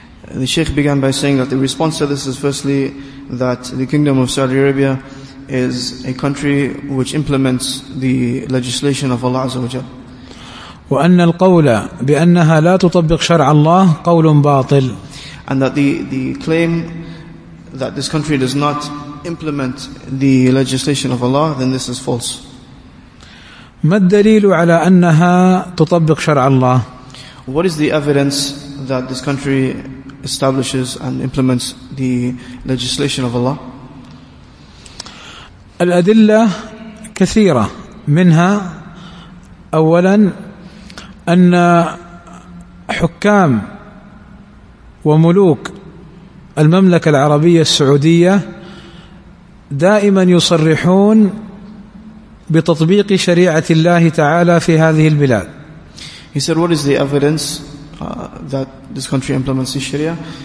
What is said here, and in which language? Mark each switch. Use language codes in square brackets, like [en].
[en] The Sheikh began by saying that the response to this is firstly that the Kingdom of Saudi Arabia is a country which implements the legislation of Allah [ar] عز وجل. وأن القول بأنها لا تطبق شرع الله قول باطل. [en] And that the claim that this country does not implement the legislation of Allah, then this is false. [ar] ما الدليل على أنها تطبق شرع الله؟ [en] What is the evidence that this country establishes and implements the legislation of Allah? [ar] الأدلة كثيرة، منها أولا أن حكام وملوك المملكة العربية السعودية دائما يصرحون بتطبيق شريعة الله تعالى في هذه البلاد. [en] He said, what is the evidence that this country implements the Sharia?